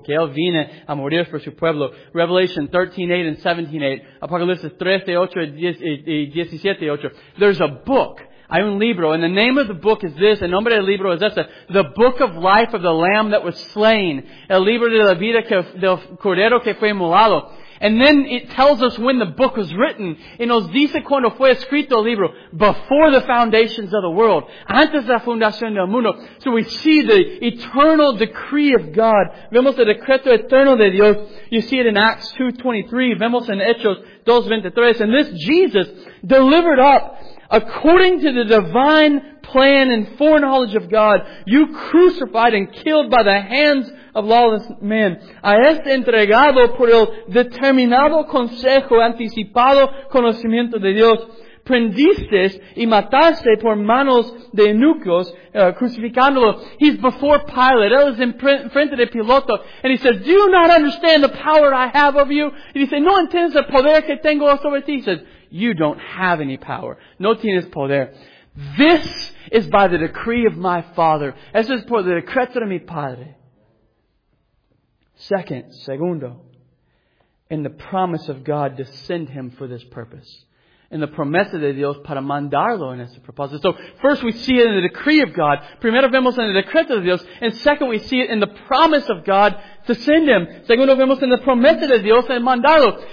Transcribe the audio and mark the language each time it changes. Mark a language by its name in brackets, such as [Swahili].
[Spanish] Que Él vine a morir por su pueblo. [English] Revelation 13:8 and 17:8. [Spanish] Apocalipsis 13:8 y 17:8. [English] There's a book. [Spanish] Hay un libro, [English] and the name of the book is this, [Spanish] el nombre del libro es este, [English] the book of life of the lamb that was slain, [Spanish] el libro de la vida del cordero que fue inmolado. [English] And then it tells us when the book was written, [Spanish] y nos dice cuando fue escrito el libro, [English] before the foundations of the world, [Spanish] antes de la fundación del mundo. [English] So we see the eternal decree of God, [Spanish] vemos el decreto eterno de Dios, [English] you see it in Acts 2:23, [Spanish] vemos en Hechos 2:23, [English] and this Jesus delivered up, according to the divine plan and foreknowledge of God, you crucified and killed by the hands of lawless men. [Spanish] A este entregado por el determinado consejo anticipado conocimiento de Dios, prendiste y mataste por manos de eunucos, crucificándolo. [English] He's before Pilate. [Spanish] Él es enfrente de Piloto. [English] And he says, do you not understand the power I have over you? And he says, [Spanish] no entiendes el poder que tengo sobre ti. [English] He says, you don't have any power. [Spanish] No tienes poder. [English] This is by the decree of my Father. [Spanish] Eso es por el decreto de mi Padre. Segundo, [English] in the promise of God to send him for this purpose. In the [Spanish] promesa de Dios para mandarlo en ese propósito. [English] So, first we see it in the decree of God. [Spanish] Primero vemos en el decreto de Dios. [English] And second we see it in the promise of God to send him. [Spanish] Segundo vemos en la promesa de Dios en mandarlo.